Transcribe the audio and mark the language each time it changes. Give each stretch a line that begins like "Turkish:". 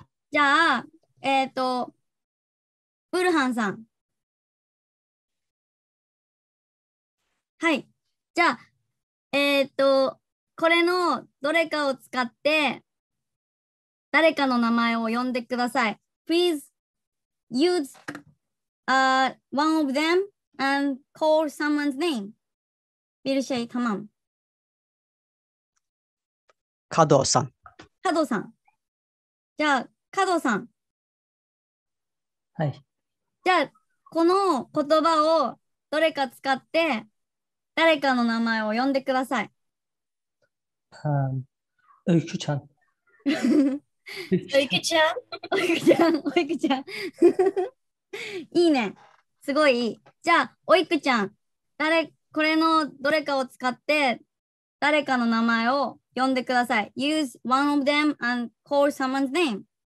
Japanese: じゃあ、ブルハンさん。はい。じゃあ、これのどれかを使って、誰かの名前を呼んでください。
English: Please use, one of them and call someone's name. ビルシェイ、たまん。
Japanese: 加藤さん。加藤さん。じゃあ、加藤さん。はい。じゃあ、この言葉をどれか使って、誰かの名前を呼んでください。うきちゃん。おいくちゃん、おいくちゃん、おいくちゃん。いいね、すごいいい。じゃあおいくちゃん、誰、これのどれかを使って誰かの名前を呼んでください。
English: Use one of them and call someone's name。